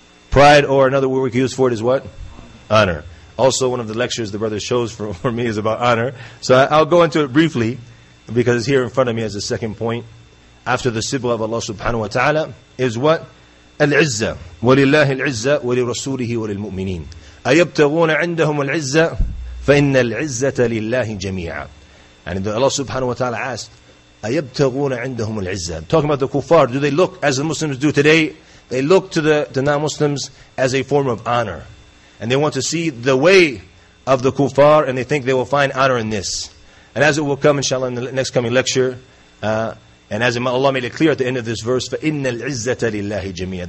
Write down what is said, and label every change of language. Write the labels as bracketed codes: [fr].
[en] Pride, or another word we could use for it is what? Honor. Also, one of the lectures the brother shows for me is about honor. So I'll go into it briefly, because it's here in front of me as a second point, after the sibwa of Allah subhanahu wa ta'ala, is what? [ar] Al-izza. Walillahi al-izza, walirasulihi walilmu'mineen. Ayabtaguna indahum al-izza, فَإِنَّ الْعِزَّةَ لِلَّهِ جَمِيعًا. [en] And Allah subhanahu wa ta'ala asked, [ar] أَيَبْتَغُونَ عِنْدَهُمُ الْعِزَّةِ. [en] Talking about the kuffar, do they look, as the Muslims do today, they look to the non-Muslims as a form of honor. And they want to see the way of the kuffar, and they think they will find honor in this. And as it will come, inshallah, in the next coming lecture, and as Allah made it clear at the end of this verse, [ar] فَإِنَّ الْعِزَّةَ لِلَّهِ جَمِيعًا.